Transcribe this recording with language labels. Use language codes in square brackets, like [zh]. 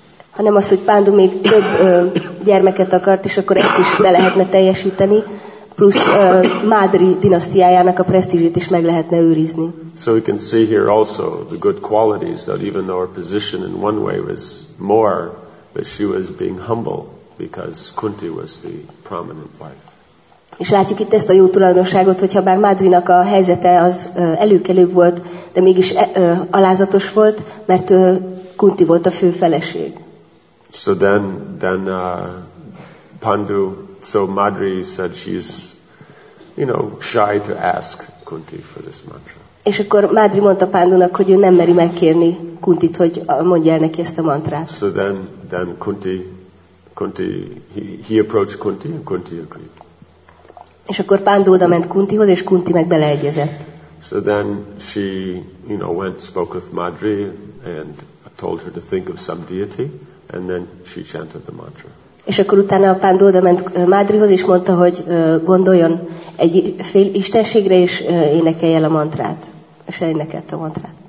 [hu] Hanem az, hogy Pandu még több gyermeket akart, és akkor ezt is be lehetne teljesíteni, plusz Madri dinasztiájának a presztízsét is meg lehetne őrizni. [en] So we can see here also the good qualities that even though her position in one way was more, but she was being humble because Kunti was the prominent wife. [hu] És látjuk itt ezt a jó tulajdonságot, hogyha bár Madrinak a helyzete az előkelőbb volt, de mégis alázatos volt, mert Kunti volt a fő feleség. [en] So then Pandu, so Madri said she's, you know, shy to ask Kunti for this mantra. [hu] És akkor Madri mondta Pandunak, hogy ő nem meri megkérni Kuntit, hogy mondja el neki ezt a mantrát. [en] So then Kunti he approached Kunti and Kunti agreed. [hu] És akkor Pandu oda ment Kuntihoz, és Kunti meg beleegyezett. [en] So then she, you know, went spoke with Madri and told her to think of some deity. And then she chanted the mantra. [hu] És akkor utána a Pandu oda ment Madrihoz, és mondta, hogy gondoljon egy fél istenségre, és énekelje el a mantrát. És elénekelte a mantrát.